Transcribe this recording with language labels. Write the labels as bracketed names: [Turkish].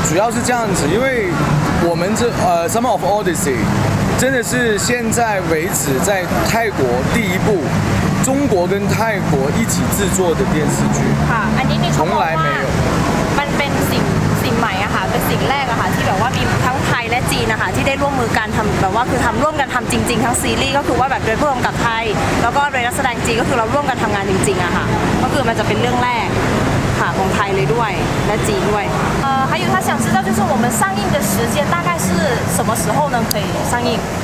[Chinese] 是这样子，因为我们这Summer of Odyssey 真的是现在为止在泰国第一部中国跟泰国一起制作的电视剧，哈，你你从来没有， [Thai] มันเป็นสิ่งใหม่อะค่ะเป็นสิ่งแรกอะค่ะที่แบบว่ามีทั้งไทยและจีนนะคะที่ได้ร่วมมือการทำแบบว่าคือทำร่วมกันทำจริงๆทั้งซีรีส์ก็คือว่าแบบโดยร่วมกับไทยแล้วก็โดยนักแสดงจีนก็คือเราร่วมกันทำงานจริงๆอะค่ะก็คือมันจะเป็นเรื่องแรกของไทยเลยด้วยและจีนด้วย [Chinese] 还有他想知道就是我们上映的时间大概是什么时候呢可以上映